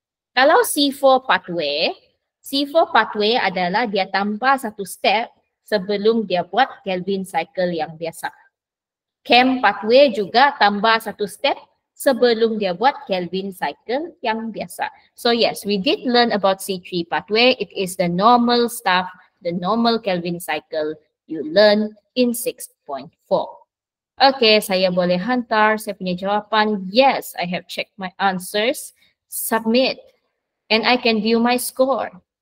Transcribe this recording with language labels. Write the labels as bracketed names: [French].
[Malay] Kalau C4 pathway adalah dia tambah satu step sebelum dia buat Kelvin cycle yang biasa. KM pathway juga tambah satu step sebelum dia buat Kelvin cycle yang biasa. [English] So yes, we did learn about C3 pathway. It is the normal stuff, the normal Kelvin cycle you learn in 6.4. [Malay] Okay, saya boleh hantar saya punya jawapan. [English] Yes, I have checked my answers. Submit. And I can view my score.